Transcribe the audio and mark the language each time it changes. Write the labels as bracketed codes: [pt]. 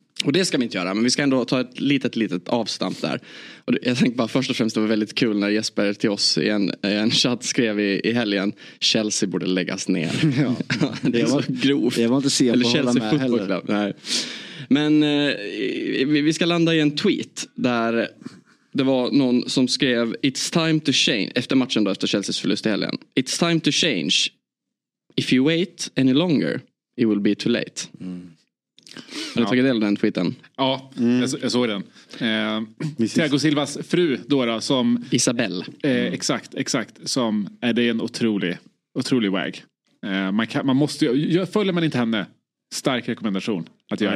[sv] Och det ska vi inte göra, men vi ska ändå ta ett litet avstamp där. Och jag tänkte bara, först och främst, det var väldigt kul när Jesper till oss i en chatt skrev i helgen: Chelsea borde läggas ner. Ja, det var så grovt. Det var inte se på eller Chelsea med heller. Nej. Men vi ska landa i en tweet där det var någon som skrev: [en] It's time to change, [sv] efter matchen då, efter Chelseas förlust i helgen. [en] It's time to change. If you wait any longer, it will be too late. Mm. [sv] Har du tagit del av den tweeten? Ja, jag såg den. Thiago Silvas fru Dora, som Isabel. Exakt. Som är det en otrolig wag. Man måste, följer man inte henne, stark rekommendation att göra.